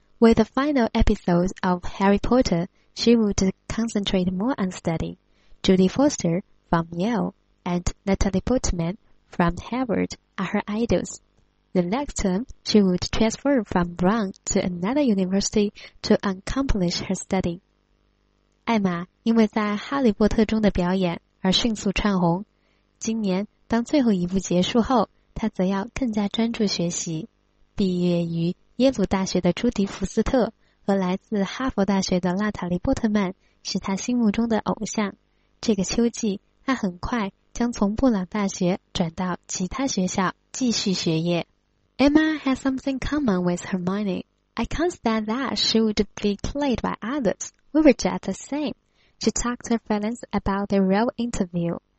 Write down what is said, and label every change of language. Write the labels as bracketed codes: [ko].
[en] With the final episode of Harry Potter, she would concentrate more on study. Jodie Foster from Yale and Natalie Portman from Harvard are her idols. The next term, she would transfer from Brown to another university to accomplish her study. [zh] 艾玛因为在《哈利波特》中的表演而迅速窜红。今年当最后一部结束后，他则要更加专注学习。毕业于耶鲁大学的朱迪·福斯特和来自哈佛大学的娜塔莉·波特曼是他心目中的偶像。这个秋季，他很快将从布朗大学转到其他学校继续学业。 [en] Emma has something common with Hermione. I can't stand that she would be played by others. We were just the same. She talked to her friends about the role interview.